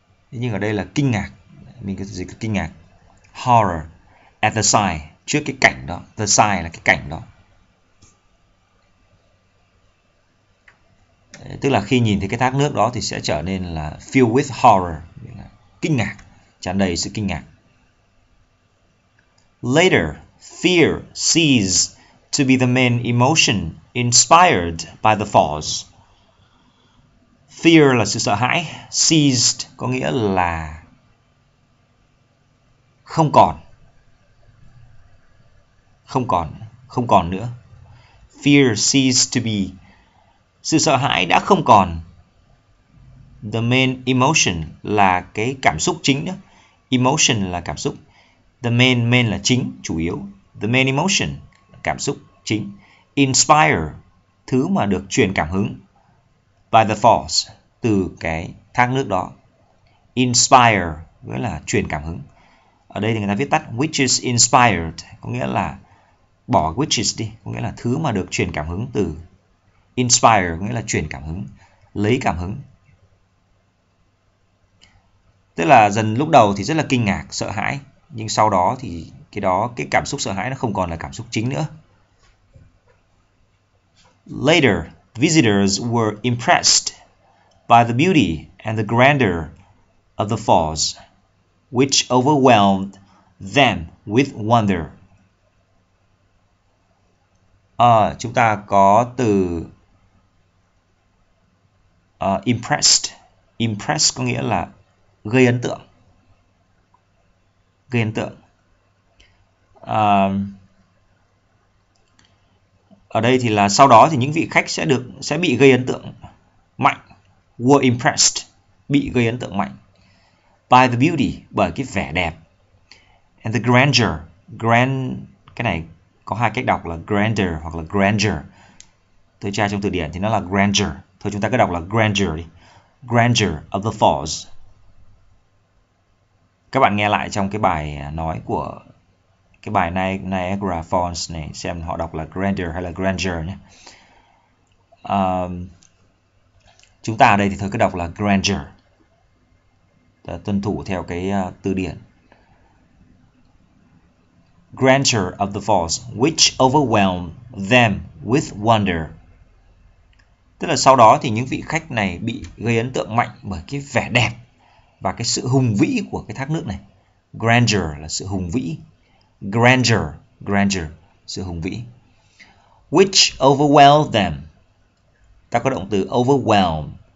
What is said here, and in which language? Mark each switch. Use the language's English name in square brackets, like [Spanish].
[Vietnamese] Thế nhưng ở đây là kinh ngạc. Mình có thể dịch là kinh ngạc. [English] Horror at the sight, [Vietnamese] trước cái cảnh đó. [English] The sight [Vietnamese] là cái cảnh đó. Tức là khi nhìn thấy cái thác nước đó thì sẽ trở nên là [English] filled with horror, [Vietnamese] kinh ngạc, tràn đầy sự kinh ngạc. [English] Later, fear ceased to be the main emotion inspired by the falls. [Vietnamese] Fear là sự sợ hãi, ceased có nghĩa là không còn nữa. [English] Fear ceased to be, [Vietnamese] sự sợ hãi đã không còn. [English] The main emotion [Vietnamese] là cái cảm xúc chính nữa. Emotion là cảm xúc. The main là chính, chủ yếu. [English] The main emotion [Vietnamese] là cảm xúc chính. Inspire, thứ mà được truyền cảm hứng. [English] By the falls, [Vietnamese] từ cái thác nước đó. Inspire, nghĩa là truyền cảm hứng. Ở đây thì người ta viết tắt [English] which is inspired, [Vietnamese] có nghĩa là bỏ which is đi, có nghĩa là thứ mà được truyền cảm hứng từ. Inspire nghĩa là truyền cảm hứng, lấy cảm hứng. Tức là dần lúc đầu thì rất là kinh ngạc, sợ hãi. Nhưng sau đó thì cái đó, cái cảm xúc sợ hãi nó không còn là cảm xúc chính nữa. [English] Later, visitors were impressed by the beauty and the grandeur of the falls, which overwhelmed them with wonder. [Vietnamese] Chúng ta có từ impressed. Impressed có nghĩa là gây ấn tượng. Gây ấn tượng. Ở đây thì là sau đó thì những vị khách sẽ bị gây ấn tượng mạnh. [English] Were impressed, [Vietnamese] bị gây ấn tượng mạnh. [English] By the beauty, [Vietnamese] bởi cái vẻ đẹp. [English] And the grandeur, [Vietnamese] grand, cái này có hai cách đọc là grander hoặc là grandeur. Tôi tra trong từ điển thì nó là grandeur. Thôi chúng ta cứ đọc là grandeur đi. [English] Grandeur of the falls. [Vietnamese] Các bạn nghe lại trong cái bài nói của cái bài Niagara Falls này, xem họ đọc là grandeur hay là grandeur nhé. Chúng ta ở đây thì thôi cứ đọc là grandeur. Tuân thủ theo cái từ điển. [English] Grandeur of the falls, which overwhelmed them with wonder. [Vietnamese] Tức là sau đó thì những vị khách này bị gây ấn tượng mạnh bởi cái vẻ đẹp và cái sự hùng vĩ của cái thác nước này. Grandeur là sự hùng vĩ. Grandeur, sự hùng vĩ. [English] Which overwhelmed them. [Vietnamese] Ta có động từ overwhelm.